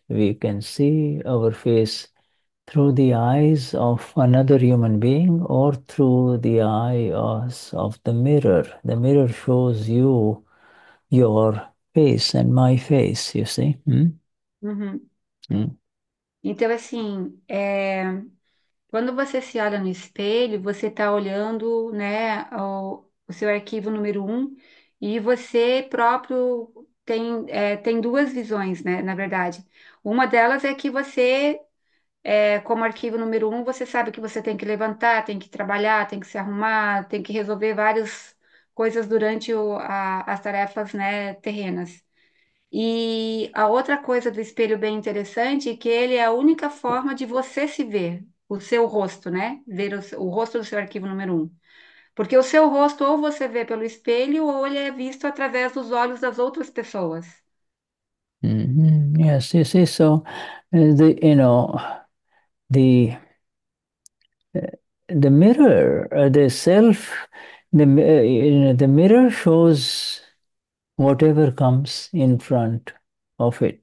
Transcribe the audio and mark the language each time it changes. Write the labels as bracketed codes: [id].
[en] We can see our face through the eyes of another human being, or through the eyes of the mirror. The mirror shows you your face and my face, you see? [pt] Então, assim, quando você se olha no espelho, você está olhando, né, o seu arquivo número 1, e você próprio tem duas visões, né, na verdade. Uma delas é que você, como arquivo número 1, você sabe que você tem que levantar, tem que trabalhar, tem que se arrumar, tem que resolver várias coisas durante as tarefas, né, terrenas. E a outra coisa do espelho bem interessante é que ele é a única forma de você se ver, o seu rosto, né? Ver o rosto do seu arquivo número 1. Porque o seu rosto ou você vê pelo espelho ou ele é visto através dos olhos das outras pessoas. [en] Yes, you see, so the mirror, the self, the mirror shows whatever comes in front of it.